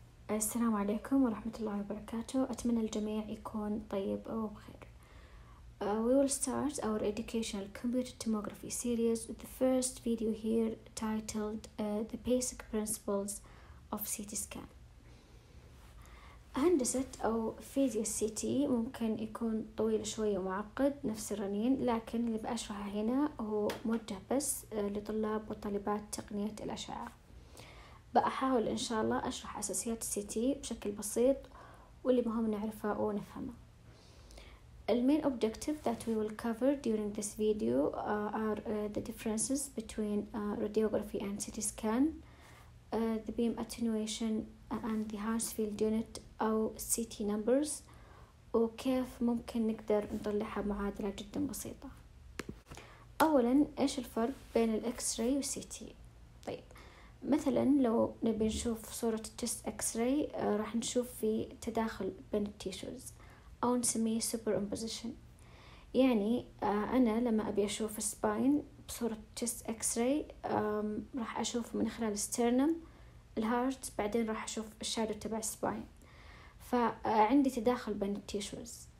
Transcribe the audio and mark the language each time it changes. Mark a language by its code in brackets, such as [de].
[ar] السلام عليكم ورحمة الله وبركاته. أتمنى الجميع يكون طيب أو بخير. [en] We will start our educational computer tomography series with the first video here titled The Basic Principles of CT Scan. [ar] هندسة أو فيزياء CT ممكن يكون طويل شوي ومعقد نفس الرنين، لكن اللي بأشرحه هنا هو موجه بس لطلاب وطالبات تقنية الأشعة. بأحاول إن شاء الله أشرح أساسيات السي تي بشكل بسيط واللي مهم نعرفه ونفهمه. [en] The main objective that we will cover during this video are the differences between radiography and CT scan, the beam attenuation and the Hounsfield unit أو CT numbers، [ar] وكيف ممكن نقدر نطلعها معادلة جدا بسيطة. أولا، إيش الفرق بين الإكس-راي والسي تي؟ مثلا لو نبي نشوف صورة تشست اكس راي راح نشوف في تداخل بين التيشوز او نسميه سوبر امبوزيشن. يعني انا لما ابي اشوف السباين بصورة تشست اكس راي راح اشوف من خلال السترنم الهارت، بعدين راح اشوف الشادو تبع السباين، فعندي تداخل بين التيشوز.